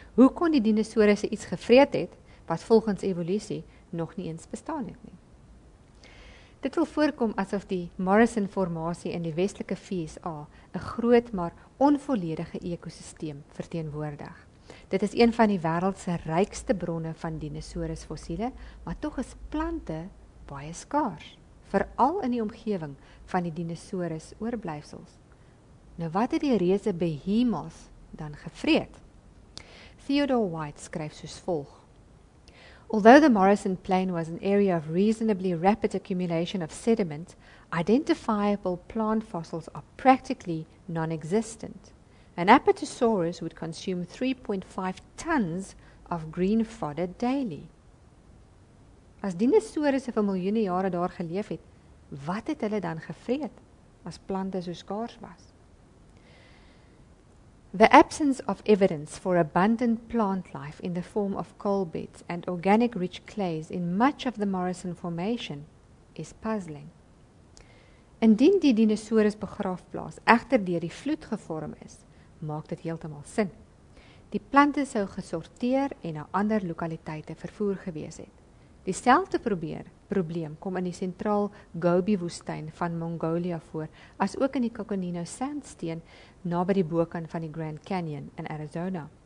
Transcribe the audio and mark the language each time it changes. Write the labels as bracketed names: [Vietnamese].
[Afrikaans] Hoe kon die dinosourusse iets gevreet het wat volgens evolusie nog nie eens bestaan het nie? Dit wil voorkom asof die Morrison-formatie in die westelike VSA 'n groot maar onvolledige ekosisteem verteenwoordig. Dit is een van die wêreld se rykste bronne van dinosourusfossiele, maar tog is plante baie skaars, veral in die omgewing van die dinosourusoorblyfsels. Nou wat het die reuse behemoths dan gevreet? [English] Theodore White [Afrikaans] skryf soos volg: [English] Although the Morrison Plain was an area of reasonably rapid accumulation of sediment, identifiable plant fossils are practically non-existent. An Apatosaurus would consume 3.5 tons of green fodder daily. [Afrikaans] As dinosaurusse vir miljoene jare daar geleef het, wat het hulle dan gevreet as plante so skaars was? [English] The absence of evidence for abundant plant life in the form of coal beds and organic-rich clays in much of the Morrison Formation is puzzling. [Afrikaans] Indien die dinosaurus begraafplaas egter deur die vloed gevorm is, maak dit heeltemal sin. Die plante sou gesorteer en na ander lokaliteite vervoer gewees het. Dieselfde probleem kom in die sentraal Gobi-woestijn van Mongolia voor, as ook in die Coconino-sandsteen na by die bokant van die Grand Canyon in Arizona.